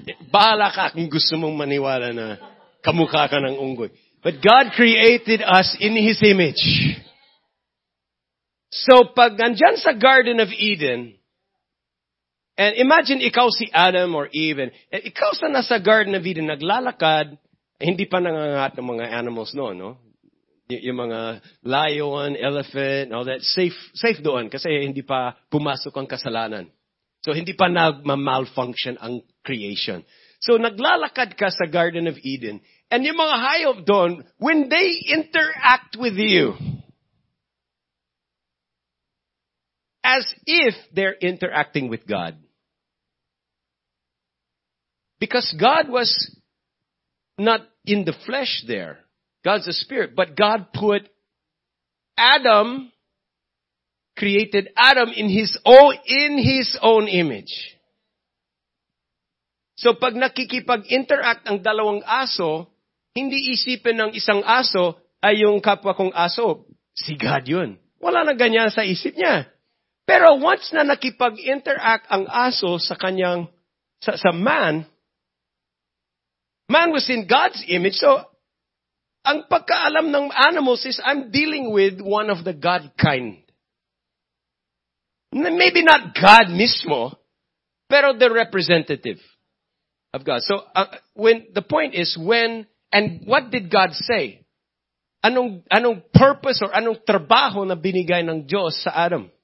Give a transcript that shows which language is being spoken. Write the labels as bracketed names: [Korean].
[Filipino] Bahala ka kung gusto mong maniwala na kamukha ka ng unggoy. [English] But God created us in His image. [Filipino] So pag nandyan sa Garden of Eden, [English] and imagine [Filipino] ikaw si Adam or Eve, and ikaw sa nasa Garden of Eden, naglalakad, hindi pa nangangat ng mga animals noon, no? Yung mga lion, elephant, [English] all that, [Filipino] safe doon, kasi hindi pa pumasok ang kasalanan. So hindi pa nag-malfunction ang creation. [English] So [Filipino] naglalakad ka sa [English] Garden of Eden, and [Filipino] yung mga hayop doon, [English] when they interact with you, as if they're interacting with God, because God was not in the flesh there. God's a spirit. But God put Adam, created Adam in his own image. [Filipino] So pag nakikipag-interact ang dalawang aso, hindi isipin ng isang aso ay yung kapwa kong aso. Si God yun. Wala na ganyan sa isip niya. Pero once na nakikipag-interact ang aso sa kanyang, sa [English] man, man was in God's image, [Filipino] so ang pagkaalam ng [English] animals is I'm dealing with one of the God kind. Maybe not God mismo, pero the representative of God. So when the point is when and what did God say? [Filipino] Anong purpose or anong trabaho na binigay ng Diyos sa Adam?